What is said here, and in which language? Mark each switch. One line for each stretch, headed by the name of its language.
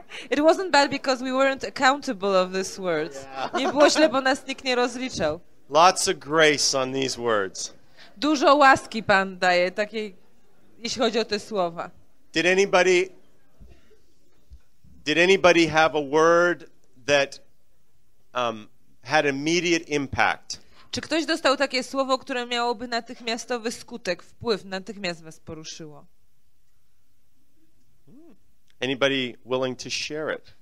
English: It wasn't bad because we weren't accountable of these words. Yeah.
Polish: Nie było źle, bo nas nikt nie rozliczał.
English: Lots of grace on these words.
Polish: Dużo łaski Pan daje, takiej, jeśli chodzi o te słowa.
English: Did anybody have a word that had immediate impact?
Polish: Czy ktoś dostał takie słowo, które miałoby natychmiastowy skutek, wpływ, natychmiast was poruszyło?
English: Anybody willing to share it?